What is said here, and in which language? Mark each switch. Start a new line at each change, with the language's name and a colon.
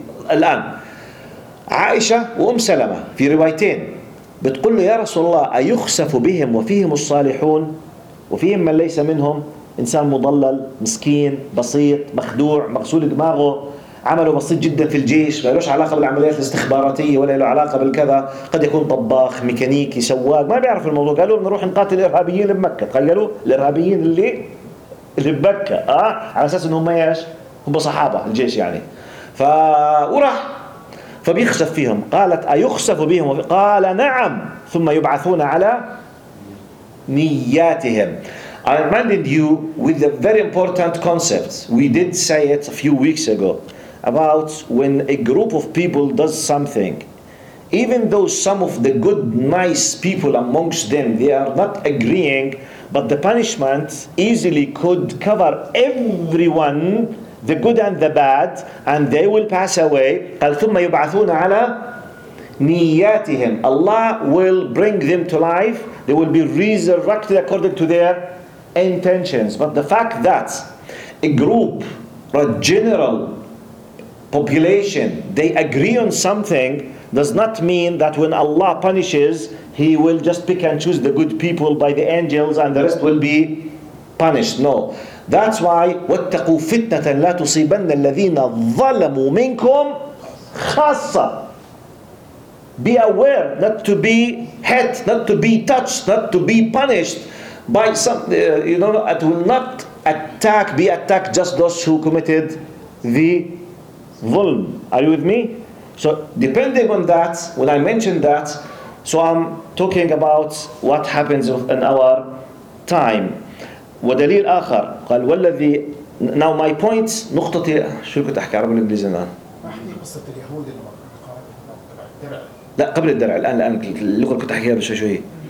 Arabic: الآن عائشة وأم سلمة في روايتين بتقول له يا رسول الله أيخسف بهم وفيهم الصالحون وفيهم من ليس منهم، إنسان مضلل مسكين بسيط مخدوع مغسول دماغه عمله بسيط جدا في الجيش ما لهش علاقة بالعمليات الاستخباراتية ولا له علاقة بالكذا، قد يكون طباخ ميكانيكي سواق ما بيعرف الموضوع، قالوا نروح نقاتل الإرهابيين بمكة، تخيلوا الإرهابيين اللي بمكة على أساس إنهم إيش هم صحابة الجيش يعني، فوراح فبيخسف فيهم، قالت أيخسف بهم؟ قال نعم، ثم يبعثون على نياتهم.
English: I reminded you with a very important concept. We did say it a few weeks ago about when a group of people does something, even though some of the good, nice people amongst them, they are not agreeing, but the punishment easily could cover everyone, the good and the bad, and they will pass away.
Arabic: قال ثم يبعثون على نياتهم.
English: Allah will bring them to life. They will be resurrected according to their intentions. But the fact that a group or a general population, they agree on something, does not mean that when Allah punishes, He will just pick and choose the good people by the angels and the rest will be punished. No. That's why
Arabic: وَاتَّقُوا فِتْنَةً لَا تُصِيبَنَّ الَّذِينَ ظَلَمُوا مِنْكُمْ خَاصَّةً.
English: Be aware not to be hit, not to be touched, not to be punished by some, it will not be attack just those who committed the ظلم. Are you with me? So depending on that, when I mentioned that, so I'm talking about what happens in our time.
Arabic: ودليل آخر قال والذي
English: now my point
Arabic: نقطتي شو كنت أحكي عربي الإنجليزي الآن؟ ما حكي قصة اليهود لا قبل الدرع الآن اللي كنت أحكيها بشوي شوي.